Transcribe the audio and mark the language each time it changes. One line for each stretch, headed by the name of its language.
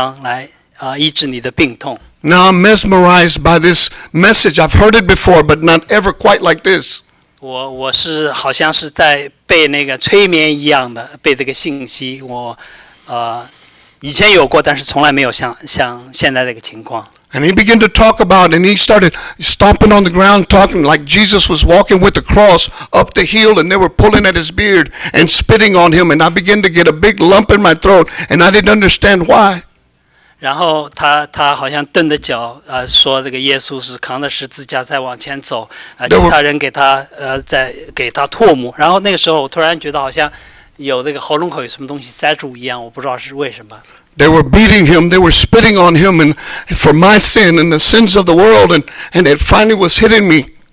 Chinese: 他在那歌里头讲，他流为你流血，他的血能够来医治你的创伤，来医治你的病痛。
English: Now I'm mesmerized by this message. I've heard it before, but not ever quite like this.
Chinese: 我是好像是在被那个催眠一样的被这个信息，我以前有过，但是从来没有像现在这个情况。
English: And he began to talk about, and he started stomping on the ground, talking like Jesus was walking with the cross up the hill, and they were pulling at his beard and spitting on him. And I began to get a big lump in my throat, and I didn't understand why.
Chinese: 然后他好像蹬着脚，说这个耶稣是扛着十字架在往前走，其他人给他唾沫。然后那个时候，我突然觉得好像有这个喉咙口有什么东西塞住一样，我不知道是为什么。
English: They were beating him, they were spitting on him and for my sin and the sins of the world, and it finally was hitting me.